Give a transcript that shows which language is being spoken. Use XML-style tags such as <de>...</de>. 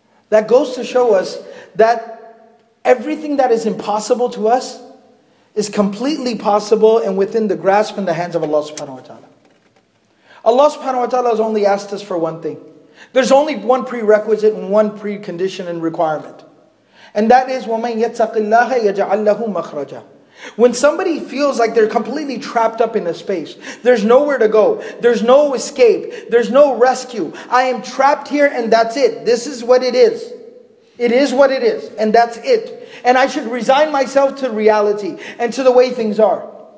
<en>That goes to show us that everything that is impossible to us is completely possible and within the grasp and the hands of Allah subhanahu wa ta'ala. Allah subhanahu wa ta'ala has only asked us for one thing. There's only one prerequisite and one precondition and requirement. And that is,</en> <ar>وَمَنْ يَتَّقِ اللَّهَ يَجْعَلْ لَهُ مَخْرَجًا.</ar> <en>When somebody feels like they're completely trapped up in a space, there's nowhere to go, there's no escape, there's no rescue, I am trapped here and that's it. This is what it is. It is what it is and that's it. And I should resign myself to reality and to the way things are.</en>